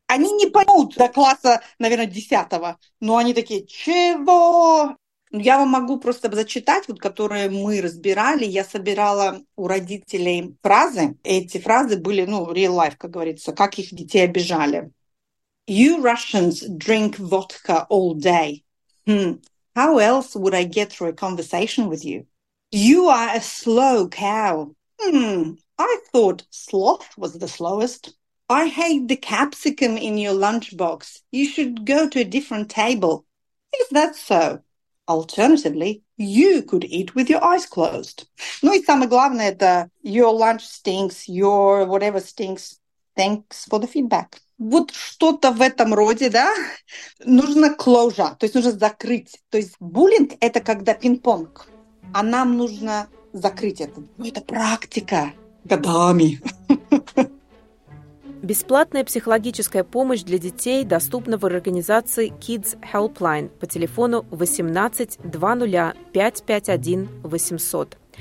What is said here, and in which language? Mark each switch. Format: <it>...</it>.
<ru>Они не поймут до класса, наверное, 10-го, но они такие, чего? Я вам могу просто зачитать, вот, которые мы разбирали. Я собирала у родителей фразы. Эти фразы были, ну,</ru> <en>real life,</en> <ru>как говорится, как их детей обижали.</ru> <en>You Russians drink vodka all day. How else would I get through a conversation with you? You are a slow cow. I thought sloth was the slowest. I hate the capsicum in your lunchbox. You should go to a different table. Is that so? Alternatively, you could eat with your eyes closed.</en> <ru>Ну и самое главное, это</ru> <en>your lunch stinks, your whatever stinks. Thanks for the feedback.</en> <ru>Вот что-то в этом роде, да? Нужно closure, то есть нужно закрыть. То есть буллинг — это когда пинг-понг. А нам нужно закрыть это. Ну это практика. Годами. Бесплатная психологическая помощь для детей доступна в организации Kids Helpline по телефону 18-20-551-800.</ru>